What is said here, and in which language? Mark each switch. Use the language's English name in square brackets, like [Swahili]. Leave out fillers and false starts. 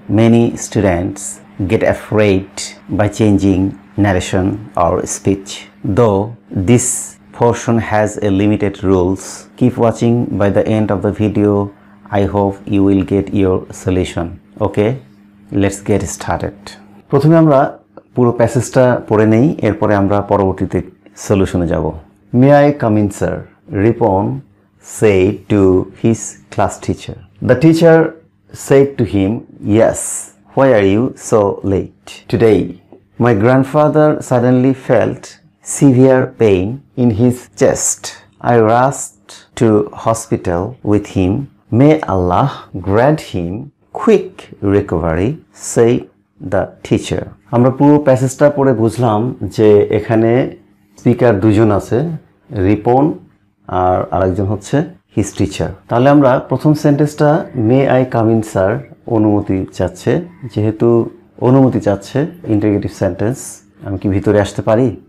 [English] Many students get afraid by changing narration or speech. Though this portion has a limited rules, keep watching by the end of the video. I hope you will get your solution. Okay, let's get started. [Bangla] প্রথমে আমরা পুরো প্যাসেজটা পড়ে নেই, এরপরে আমরা পরবর্তীতে সলিউশনে যাব. [English] May I come in, sir? Ripon said to his class teacher. The teacher said to him, yes, why are you so late today? My grandfather suddenly felt severe pain in his chest. I rushed to hospital with him. May Allah grant him quick recovery, said the teacher. [Bangla] আমরা পুরো প্যাসেজটা পড়ে বুঝলাম যে এখানে speaker দুজন আছে, রিপন আর আরেকজন হচ্ছে হিস টিচার. তাহলে আমরা প্রথম সেন্টেন্সটা [English] may I come in sir, [Bangla] অনুমতি চাচ্ছে, যেহেতু অনুমতি চাচ্ছে, ইন্টারোগেটিভ সেন্টেন্স, আমি কি ভিতরে আসতে পারি?